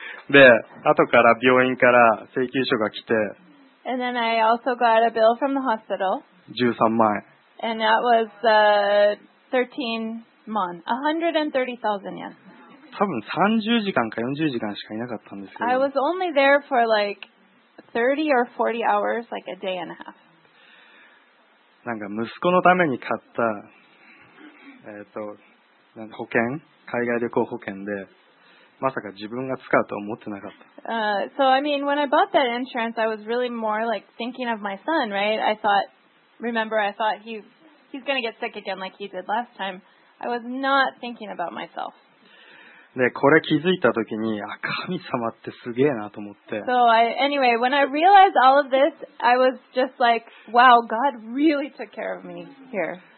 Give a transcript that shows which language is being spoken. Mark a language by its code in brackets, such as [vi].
[ja] で、後から病院から請求書が来て、 [en] And then I also got a bill from the hospital. [ja] 13万円。 [en] And that was 13 mon, 130,000 yen. [ja] 多分30時間か40時間しかいなかったんですけど。 [en] I was only there for like 30 or 40 hours, like a day and a half. [ja] なんか息子のために買った、保険、海外旅行保険で、まさか自分が使うと思ってなかった。 [en] So I mean, when I bought that insurance, I was really more like thinking of my son, right? I thought, remember, I thought he's gonna get sick again like he did last time. I was not thinking about myself. [ja] で、これ気づいた時に、あ、神様ってすげえなと思って。 [en] So I, anyway, when I realized all of this, I was just like, wow, God really took care of me here.